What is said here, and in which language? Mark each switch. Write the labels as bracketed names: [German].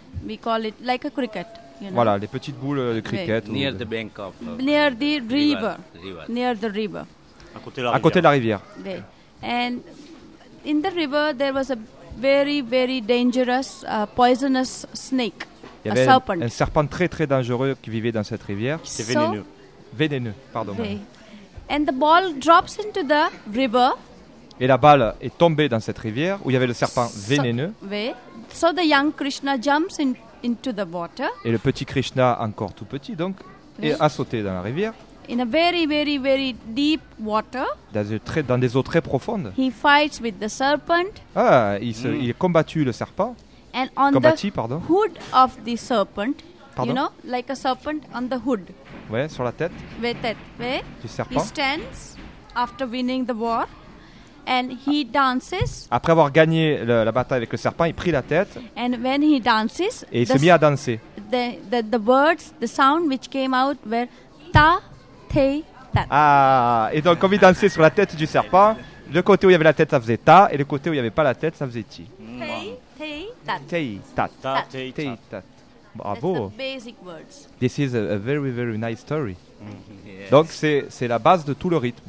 [English] We call it like a cricket. You know? [French] Voilà, les petites boules de cricket. [English] Okay. Near the bank of... near the river. Near the river. [French] À côté de la rivière. [English] Okay. And in the river, there was a very, very dangerous, poisonous snake. [French] Il y avait [English] a serpent. [French] Un serpent très, très dangereux qui vivait dans cette rivière. C'est vénéneux. Vénéneux, pardon. Okay. [English] And the ball drops into the river. [French] Et la balle est tombée dans cette rivière où il y avait le serpent vénéneux. [English] So the young Krishna jumps into the water. [French] Et le petit Krishna, encore tout petit donc, a sauté dans la rivière. [English] In a very, very, very deep water. [French] Dans des eaux très profondes. [English] He fights with the serpent. [French] Ah, il est combattu le serpent. [English] and on hood of the serpent, you know, like a serpent on the hood. [French] Ouais, sur la tête. Ve tête, ve. Du serpent. [English] He stands after winning the war. And he dances. [French] Après avoir gagné la bataille avec le serpent, il prit la tête. [English] And when he dances, [French] et il se mit à danser. [English] The words, the sound which came out were ta, te, ta. [French] Ah, et donc comme il dansait sur la tête du serpent, le côté où il y avait la tête, ça faisait ta, et le côté où il n'y avait pas la tête, ça faisait ti. Te, ta. Bravo. [English] That's the basic words. This is a very, very nice story. Mm-hmm. Yes. [French] Donc c'est la base de tout le rythme.